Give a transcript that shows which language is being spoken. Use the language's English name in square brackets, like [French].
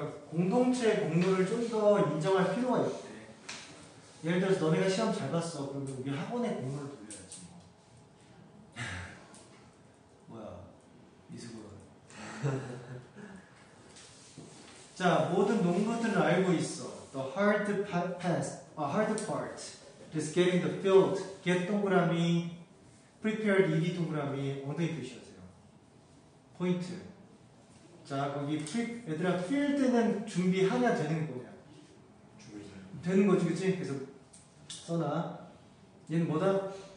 [Korean] 공동체의 공로를 좀 더 인정할 필요가 있대. 예를 들어서 너네가 시험 잘 봤어. 그러면 우리 학원의 공로를 돌려야지. 뭐. 뭐야, 미숙은. 자, 모든 농부들은 알고 있어. [English] The hard part, hard part is getting the field. [Korean] Get 동그라미, [English] prepared [Korean] 이기 동그라미, 엉덩이 표시하세요. 포인트. 자, 거기 얘들아, 필드는 준비하냐 되는 거냐? 준비하냐 되는 거지, 그치? 그래서 써놔. 얘는 뭐다?